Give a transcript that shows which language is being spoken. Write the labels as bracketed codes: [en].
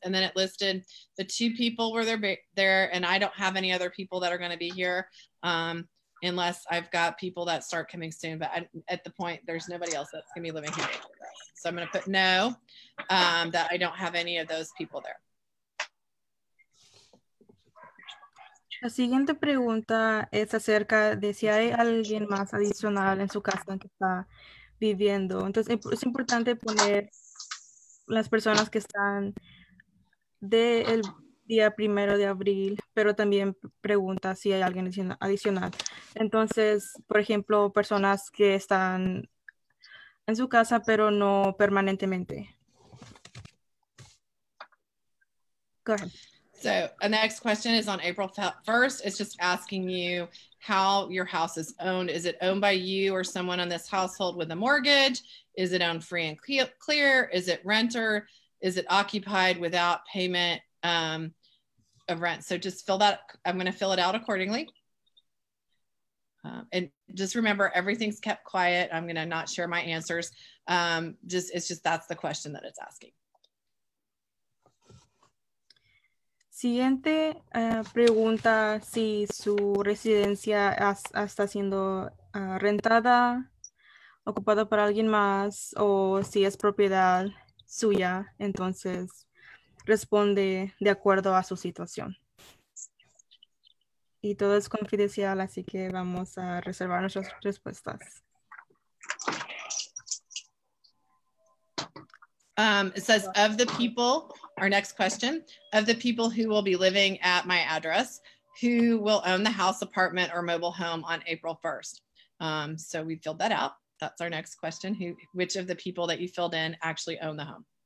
[en] And then it listed the two people where they're there. And I don't have any other people that are going to be here unless I've got people that start coming soon. But at the point, there's nobody else that's going to be living here. So I'm going to put no, that I don't have any of those people there. [es] La siguiente pregunta es acerca de si hay alguien más adicional en su casa que está viviendo. Entonces es importante poner las personas que están de el día primero de abril, pero también pregunta si hay alguien adicional. Entonces, por ejemplo, personas que están en su casa, pero no permanentemente. [en] Go ahead. So the next question is on April 1st. It's just asking you how your house is owned. Is it owned by you or someone in this household with a mortgage? Is it owned free and clear? Is it renter? Is it occupied without payment of rent? So just fill that. I'm going to fill it out accordingly. And just remember, everything's kept quiet. I'm going to not share my answers. That's the question that it's asking. [es] Siguiente pregunta, si su residencia está siendo rentada, ocupada por alguien más, o si es propiedad suya, entonces responde de acuerdo a su situación. Y todo es confidencial, así que vamos a reservar nuestras respuestas. [en] It says, of the people, our next question, of the people who will be living at my address, who will own the house, apartment, or mobile home on April 1st? So we filled that out. That's our next question. Which of the people that you filled in actually own the home?